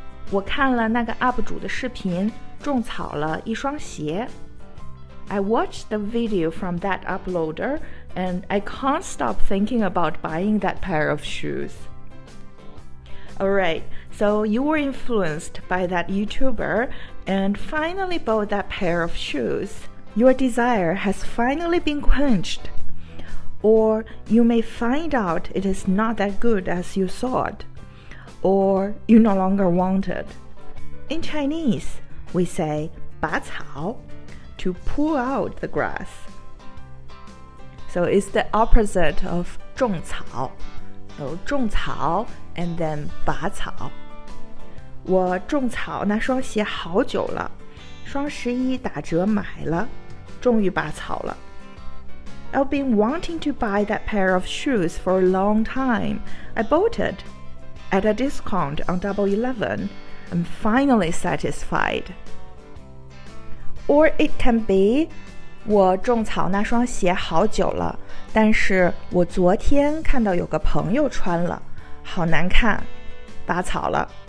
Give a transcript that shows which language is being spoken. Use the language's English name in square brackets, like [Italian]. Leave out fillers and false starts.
[Chinese] 我看了那个 UP 主的视频，种草了一双鞋。 [English] I watched the video from that uploader, and I can't stop thinking about buying that pair of shoes. Alright, so you were influenced by that YouTuber, and finally bought that pair of shoes. Your desire has finally been quenched. Or you may find out it is not that good as you thought. Or you no longer want it. In Chinese, we say 拔草, to pull out the grass. So it's the opposite of 种草.So 种草 and then 拔草. [Chinese] 我种草那双鞋好久了,双十一打折买了。终于拔草了。 [English] I've been wanting to buy that pair of shoes for a long time. I bought it at a discount on Double 11. I'm finally satisfied. Or it can be, [Chinese] 我种草那双鞋好久了，但是我昨天看到有个朋友穿了，好难看，拔草了。